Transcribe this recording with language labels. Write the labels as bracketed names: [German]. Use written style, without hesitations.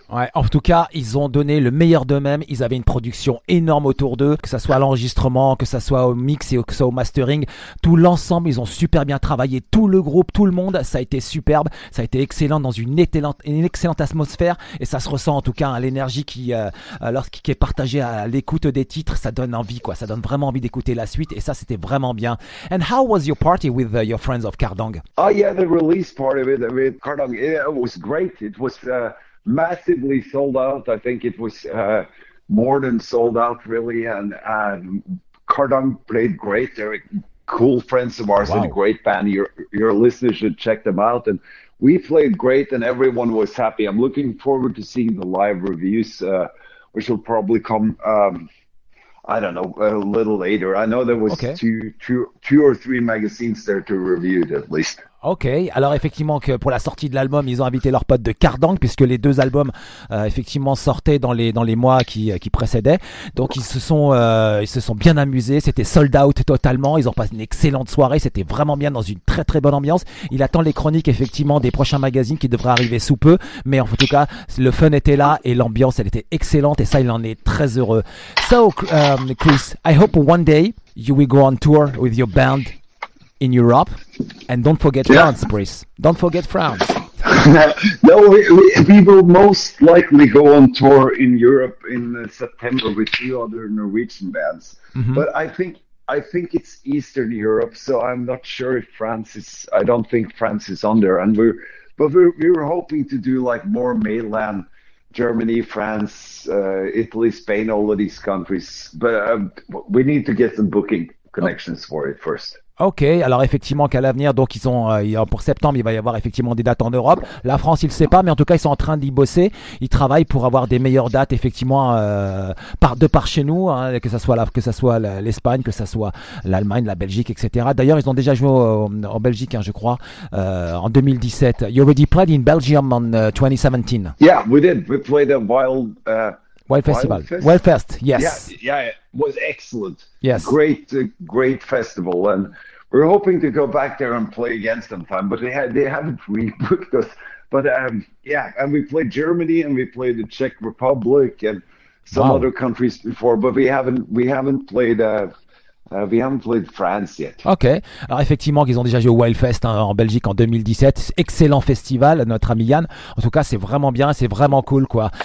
[French] Ouais, en tout cas, ils ont donné le meilleur d'eux-mêmes. Ils avaient une production énorme autour d'eux, que ça soit à l'enregistrement, que ça soit au mix et que ça soit au mastering. Tout l'ensemble, ils ont super bien travaillé. Tout le groupe, tout le monde, ça a été superbe. Ça a été excellent, dans une excellente atmosphère, et ça se ressent en tout cas, hein, l'énergie qui est partagée à l'écoute des titres. Ça donne envie, quoi. Ça donne vraiment envie d'écouter la suite, et ça, c'était vraiment bien. [English] And how was your party with your friends of Cardang? Oh yeah, the release party with Cardang, it was great. It was massively sold out. I think it was more than sold out, really. And Cardang played great. They're cool friends of ours. Wow. And a great band. Your listeners should check them out. And we played great, and everyone was happy. I'm looking forward to seeing the live reviews, which will probably come. I don't know, a little later. I know there was okay. two or three magazines there to review it at least. [French] Ok, alors effectivement que pour la sortie de l'album, ils ont invité leurs potes de Cardang, puisque les deux albums effectivement sortaient dans les mois qui précédaient. Donc ils se sont bien amusés, c'était sold out totalement. Ils ont passé une excellente soirée, c'était vraiment bien, dans une très très bonne ambiance. Il attend les chroniques effectivement des prochains magazines qui devraient arriver sous peu, mais en tout cas le fun était là et l'ambiance elle était excellente et ça il en est très heureux. [English] So Chris, I hope one day you will go on tour with your band in Europe. And don't forget France, Brice. Don't forget France. No, we will most likely go on tour in Europe in September with two other Norwegian bands. Mm-hmm. But I think it's Eastern Europe, so I'm not sure if France is. I don't think France is on there. But we were hoping to do like more mainland, Germany, France, Italy, Spain, all of these countries. But we need to get some booking connections for it first. [French] Ok, alors effectivement qu'à l'avenir, donc ils ont pour septembre, il va y avoir effectivement des dates en Europe. La France, il ne sait pas, mais en tout cas, ils sont en train d'y bosser. Ils travaillent pour avoir des meilleures dates effectivement par chez nous, hein, que ça soit l'Espagne, que ça soit l'Allemagne, la Belgique, etc. D'ailleurs, ils ont déjà joué en Belgique, hein, je crois, en 2017. [English] You already played in Belgium in 2017. Yeah, we did. We played a Wild Wild Festival. Wild Fest. Yes. Yeah. Was excellent. Yes. Great festival, and we're hoping to go back there and play again sometime. But they haven't rebooked us. But and we played Germany and we played the Czech Republic and some other countries before. But we haven't played. We haven't played France yet. [French] Ok, alors effectivement qu'ils ont déjà joué au Wildfest hein, en Belgique en 2017, excellent festival notre ami Yann, en tout cas c'est vraiment bien, c'est vraiment cool quoi.